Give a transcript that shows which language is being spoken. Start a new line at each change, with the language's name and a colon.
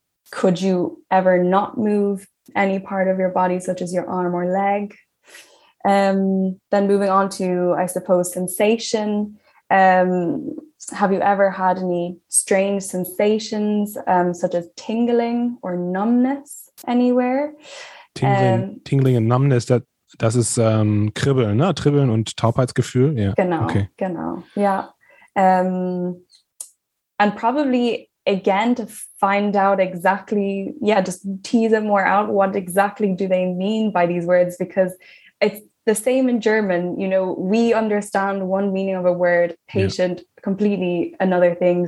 English: Could you ever not move any part of your body, such as your arm or leg? Then moving on to, I suppose, sensation. Have you ever had any strange sensations, such as tingling or numbness anywhere? Tingling and numbness,
German: das ist Kribbeln, ne? Kribbeln und Taubheitsgefühl. Yeah. Genau, okay. Genau, ja.
English: And probably, again, to find out exactly, yeah, just tease it more out, what exactly do they mean by these words? Because it's the same in German, you know, we understand one meaning of a word, patient, completely another thing.